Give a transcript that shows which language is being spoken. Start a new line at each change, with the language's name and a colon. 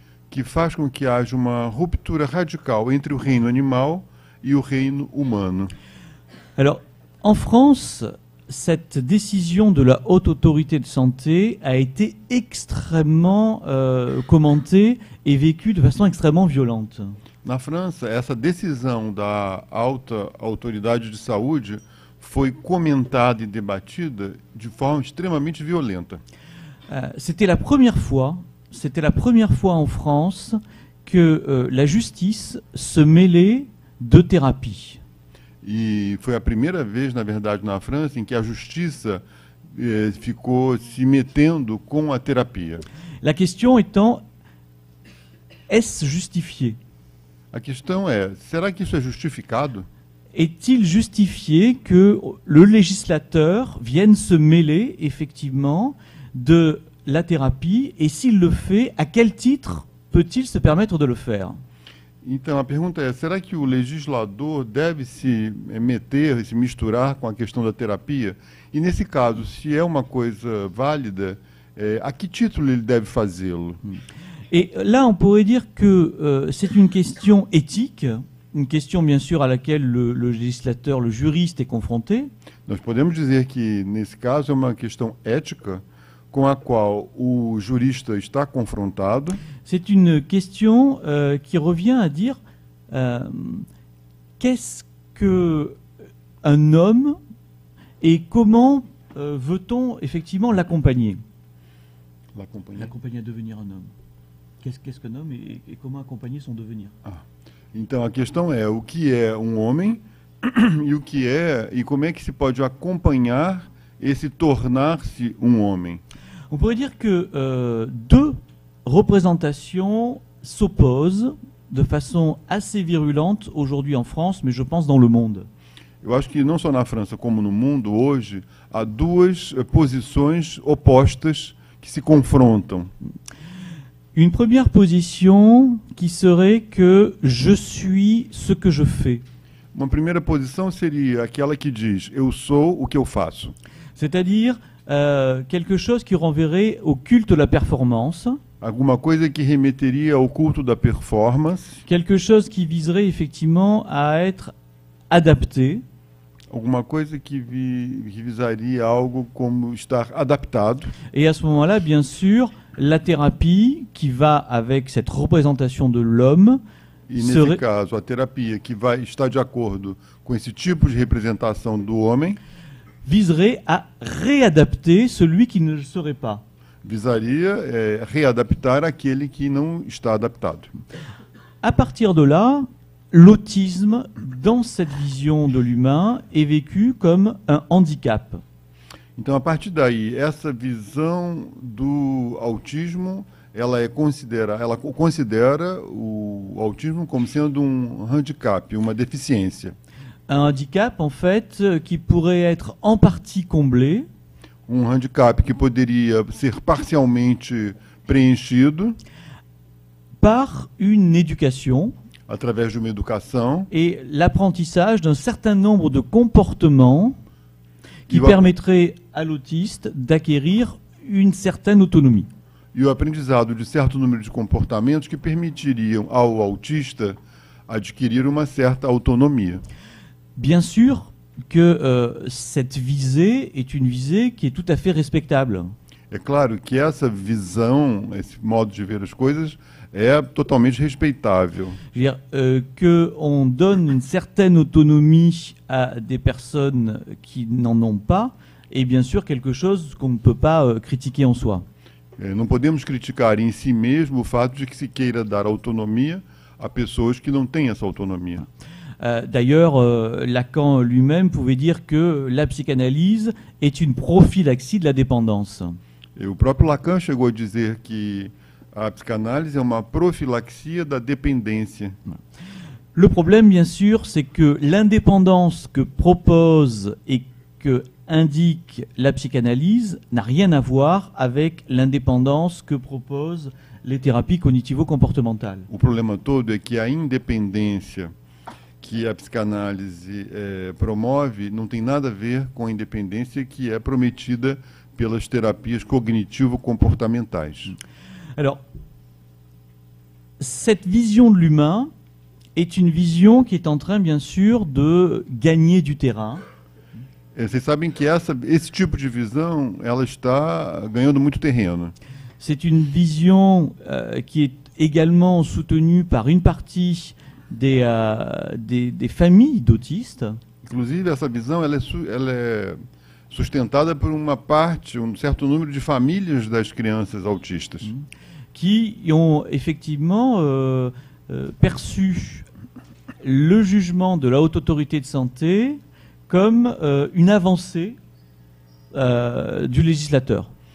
Portuguese: Que faz com que haja uma ruptura radical entre o reino animal e o reino humano.
French: Alors, en France, cette décision de la Haute Autorité de Santé a été extrêmement commentée et vécue de façon extrêmement violente.
Portuguese: Na França, essa decisão da alta autoridade de saúde foi comentada e debatida de forma extremamente violenta.
French: C'était la première fois en France que la justice se mêlait de thérapie.
Portuguese: E foi a primeira vez, na verdade, na França em que a justiça ficou se metendo com a terapia.
French: La question étant, est-ce justifié?
Portuguese: A questão é, será que isso é justificado?
French: Est-il justifié que le législateur vienne se mêler effectivement de la thérapie et s'il le fait, à quel titre peut-il se permettre de le faire?
Portuguese: Então a pergunta é, será que o legislador deve se meter, se misturar com a questão da terapia? E nesse caso, se é uma coisa válida, a que título ele deve fazê-lo?
French: Et là, on pourrait dire que c'est une question éthique, une question bien sûr à laquelle le législateur, le juriste est confronté.
Portuguese: Nós podemos dizer que nesse caso é uma questão ética com a qual o jurista está confrontado.
French: C'est une question qui revient à dire qu'est-ce que un homme et comment veut-on effectivement l'accompagner? L'accompagner à devenir un homme. Qu'est-ce qu'un homme et comment accompagner son devenir? Ah.
Portuguese: Então a questão é o que é um homem e o que é e como é que se pode acompanhar esse tornar-se um homem.
French: On pourrait dire que deux représentations s'opposent de façon assez virulente aujourd'hui en France, mais je pense dans le monde.
Portuguese: Eu acho que não só na França como no mundo hoje há duas posições opostas que se confrontam.
French: Une première position qui serait que je suis ce que je fais.
Portuguese: Uma primeira posição seria aquela que diz eu sou o que eu faço.
French: C'est-à-dire quelque chose qui renverrait au culte de la performance.
Portuguese: Alguma coisa que remeteria ao culto da performance.
French: Quelque chose qui viserait effectivement à être adapté.
Portuguese: Alguma coisa que visaria algo como estar adaptado.
French: Et à ce moment-là, bien sûr, la thérapie qui va avec cette représentation de l'homme
Portuguese: caso, a terapia que vai estar de acordo com esse tipo de representação do homem
French: viserait à réadapter celui qui ne le serait pas.
Portuguese: Visaria réadaptar aquele que não está adaptado.
French: À partir de là, l'autisme dans cette vision de l'humain est vécu comme un handicap.
Portuguese: Então, a partir daí, essa visão do autismo, ela considera o autismo como sendo um handicap, uma deficiência.
French: Un handicap, en fait, qui pourrait être en partie comblé.
Portuguese: Um handicap que poderia ser parcialmente preenchido.
French: Par une éducation.
Portuguese: Através de uma educação.
French: Et l'apprentissage d'un certain nombre de comportements qui permettrait à l'autiste d'acquérir une certaine autonomie.
Portuguese: E o aprendizado de certo número de comportamentos que permitiriam ao autista adquirir uma certa autonomia.
French: Bien sûr que cette visée est une visée qui est tout à fait respectable.
Portuguese: É claro que essa visão, esse modo de ver as coisas, é totalmente respeitável.
French: Que on donne une certaine autonomie à des personnes qui n'en ont pas est bien sûr quelque chose qu'on ne peut pas critiquer en soi.
Portuguese: Não podemos criticar em si mesmo o fato de que se queira dar autonomia a pessoas que não têm essa autonomia.
French: D'ailleurs, Lacan lui-même pouvait dire que la psychanalyse est une prophylaxie de la dépendance.
Portuguese: Et o próprio Lacan chegou a dizer que a psicanálise é uma profilaxia da dependência.
French: Le problème, bien sûr, c'est que l'indépendance que propose et que indique la psychanalyse n'a rien à voir avec l'indépendance que proposent les thérapies cognitivo-comportementales.
Portuguese: O problema todo é que a independência que a psicanálise promove não tem nada a ver com a independência que é prometida pelas terapias cognitivo-comportamentais.
French: Alors, cette vision de l'humain est une vision qui est en train, bien sûr, de gagner du terrain.
Portuguese: Et vocês sabem que esse tipo de visão, ela está ganhando muito terreno.
French: C'est une vision qui est également soutenue par une partie des familles d'autistes.
Portuguese: Inclusive, essa visão, ela é sustentada por uma parte, um certo número de famílias das crianças autistas.
French: Qui ont effectivement perçu le jugement de la haute autorité de santé comme une avancée du législateur.